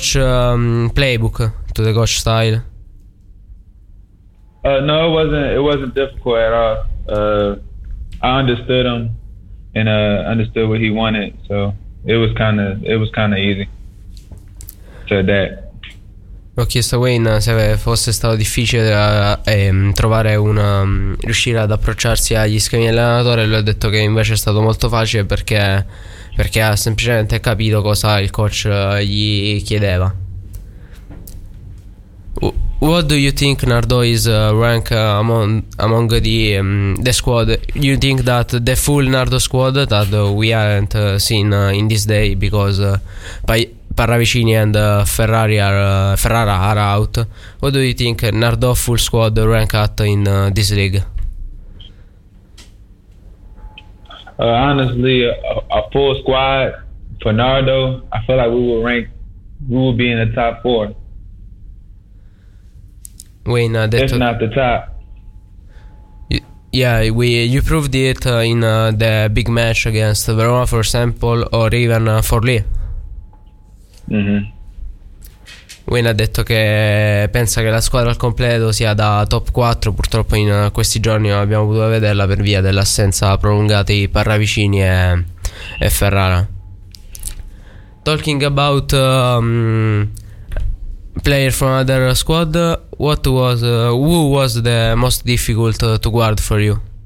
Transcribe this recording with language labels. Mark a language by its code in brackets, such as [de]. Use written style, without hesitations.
[en] To the coach playbook, to the coach style. No, it wasn't difficult at all. I understood him and understood what he wanted, so it was kind of easy to adapt. [it] Ho chiesto a Wayne se fosse stato difficile riuscire ad approcciarsi agli schemi dell'allenatore. Lui ha detto che invece è stato molto facile perché ha semplicemente capito cosa il coach gli chiedeva. [en] What do you think Nardò is rank among the squad? You think that the full Nardò squad that we haven't seen in this day because Paravicini and Ferrara are out. What do you think Nardò full squad rank at in this league? Honestly, a full squad for Nardò, I feel like we will be in the top four. [it] Wayne ha detto, [en] if not the top. You proved it in the big match against Verona, for example, or even Forlì. Mm-hmm. [it] Wayne ha detto che pensa che la squadra al completo sia da top 4. Purtroppo in questi giorni non abbiamo potuto vederla per via dell'assenza prolungata di Paravicini e Ferrara. [en] Talking about player from another squad, what was who was the most difficult to guard for you?